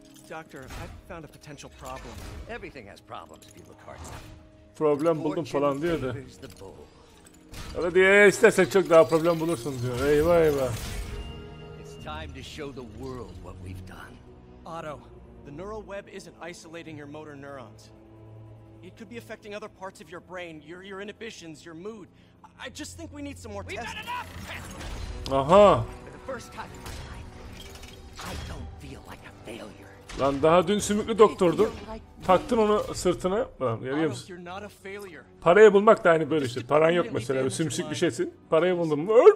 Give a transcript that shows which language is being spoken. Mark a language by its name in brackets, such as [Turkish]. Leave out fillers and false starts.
[English] Doctor, I found a potential problem. Everything has problems if you look hard enough. [Turkish] Problem buldum falan diyor da. Öyle diye istersen çok daha problem bulursun diyor. Eyvah eyvah. [English] It's time to show the world what we've done. Otto, the neural web isn't isolating your motor neurons. It could be affecting other parts of your brain, your inhibitions, your mood. I just think we need some more tests. We've got enough tests. Aha. For the first time in my life, I don't feel like a failure. [Turkish] Lan daha dün sümüklü doktordu. Taktın onu sırtına. Lan görüyor musun? Parayı bulmak da aynı böyle işte. Paran yok mesela. Sümsük bir şeysin. Parayı buldun mu?